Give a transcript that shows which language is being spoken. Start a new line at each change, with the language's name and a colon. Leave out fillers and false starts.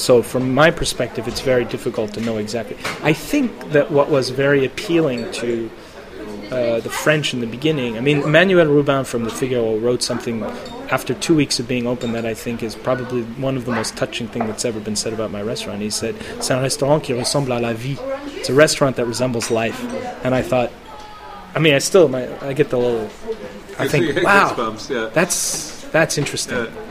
English: So from my perspective, it's very difficult to know exactly. I think that what was very appealing to the French in the beginning. I mean, Manuel Rubin from the Figaro wrote something after 2 weeks of being open that I think is probably one of the most touching things that's ever been said about my restaurant. He said,
French: c'est un restaurant qui ressemble à la vie.
English: It's a restaurant that resembles life. And I thought, I mean, I get the little, I think, wow, that's interesting.